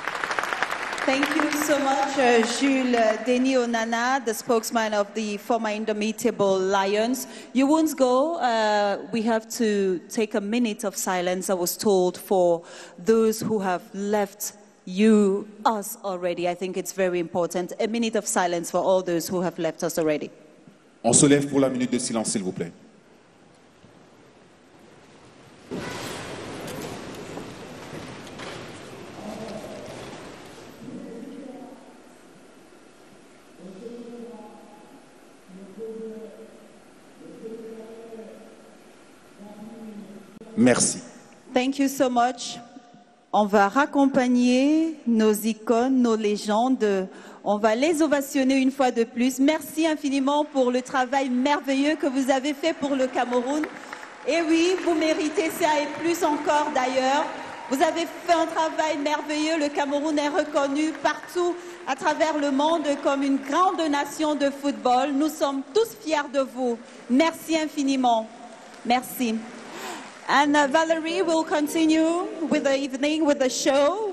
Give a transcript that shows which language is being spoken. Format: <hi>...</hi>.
<en>Thank you so much, Jules Denis Onana, the spokesman of the former Indomitable Lions. You won't go. We have to take a minute of silence, I was told, for those who have left you, us already. I think it's very important. A minute of silence for all those who have left us already.</en> <fr>On se lève pour la minute de silence, s'il vous plaît. Merci.</fr> <en>Thank you so much.</en> <fr>On va raccompagner nos icônes, nos légendes. On va les ovationner une fois de plus. Merci infiniment pour le travail merveilleux que vous avez fait pour le Cameroun. Et oui, vous méritez ça et plus encore d'ailleurs. Vous avez fait un travail merveilleux. Le Cameroun est reconnu partout à travers le monde comme une grande nation de football. Nous sommes tous fiers de vous. Merci infiniment. Merci.</fr> <en>And Valerie will continue with the evening, with the show.</en>